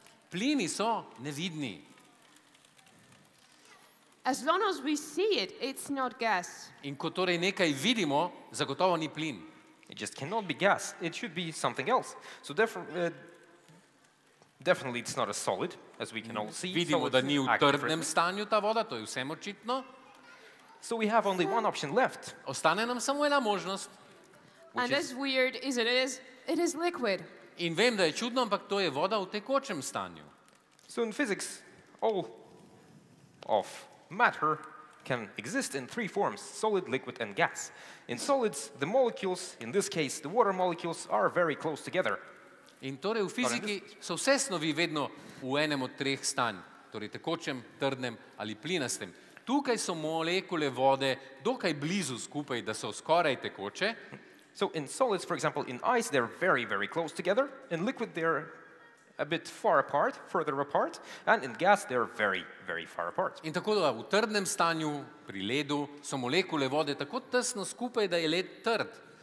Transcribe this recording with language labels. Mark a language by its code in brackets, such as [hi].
[sl] Plini so nevidni. [en] As long as we see it, it's not gas. [sl] In ko torej nekaj vidimo, zagotovo ni plin. [en] It just cannot be gas. It should be something else. So therefore, definitely it's not a solid, as we can all see. [sl] Vidimo, [en] so [sl] da ni v trdnem stanju ta voda, to je vsem očitno. [en] So we have only one option left. [sl] Ostane nam samo ena možnost. [en] Which and as weird as it is liquid. [sl] In vem, da je čudno, ampak to je voda v tekočem stanju. [en] So in physics, all of matter can exist in 3 forms, solid, liquid and gas. In solids, the molecules, in this case the water molecules, are very close together. [sl] In torej v fiziki so vse snovi vedno v enem od 3 stanj, torej tekočem, trdnem ali plinastem. Tukaj so molekule vode dokaj blizu skupaj, da so skoraj tekoče. [en] So in solids, for example, in ice, they're very, very close together. In liquid, they're a bit far apart, further apart. And in gas, they're very, very far apart. [sl] In tako da v trdnem stanju, pri ledu, so molekule vode tako tesno skupaj, da je led trd.